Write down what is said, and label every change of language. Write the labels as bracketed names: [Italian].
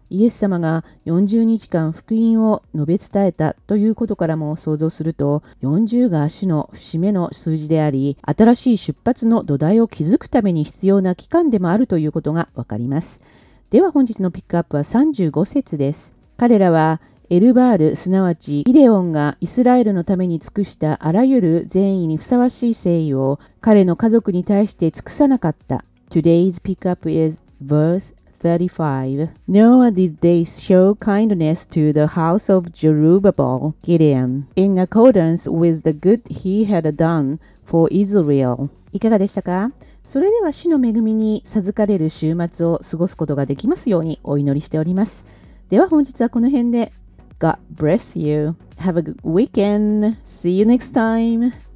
[Japanese] イエス様が40日間福音を述べ伝えたということからも想像すると、40が主の節目の数字であり、新しい出発の土台を築くために必要な期間でもあるということがわかります。では本日のピックアップは35節です。彼らはエルバール、すなわちギデオンがイスラエルのために尽くしたあらゆる善意にふさわしい誠意を彼の家族に対して尽くさなかった。 [English] Today's pick up is verse 35. Nor did they show kindness to the house of Zerubbabel, Gideon, in accordance with the good he had done for Israel. [Japanese] いかがでしたか？それでは主の恵みに授かれる週末を過ごすことができますようにお祈りしております。では本日はこの辺で。 [English] God bless you. Have a good weekend. See you next time.